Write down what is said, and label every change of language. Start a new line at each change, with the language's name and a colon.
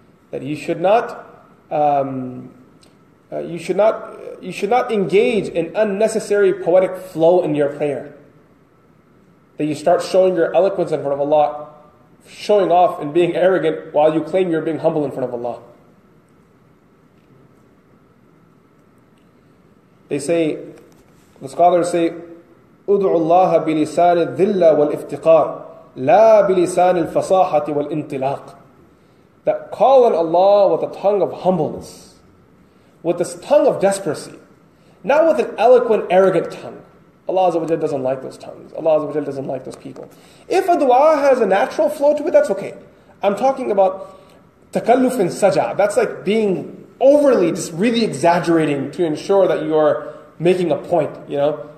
English: That you should not you should not engage in unnecessary poetic flow in your prayer. That you start showing your eloquence in front of Allah, showing off and being arrogant while you claim you're being humble in front of Allah. They say, the scholars say,
Arabic: أُدْعُ اللَّهَ بِلِسَانِ الذِّلَّ وَالْإِفْتِقَارِ لَا بِلِسَانِ الْفَصَاحَةِ وَالْإِنْتِلَاقِ.
English: That call on Allah with a tongue of humbleness, with a tongue of desperacy, not with an eloquent, arrogant tongue. Allah doesn't like those tongues. Allah doesn't like those people. If a dua has a natural flow to it, that's okay. I'm talking about takalluf and saja. That's like being overly, just really exaggerating to ensure that you are making a point, you know?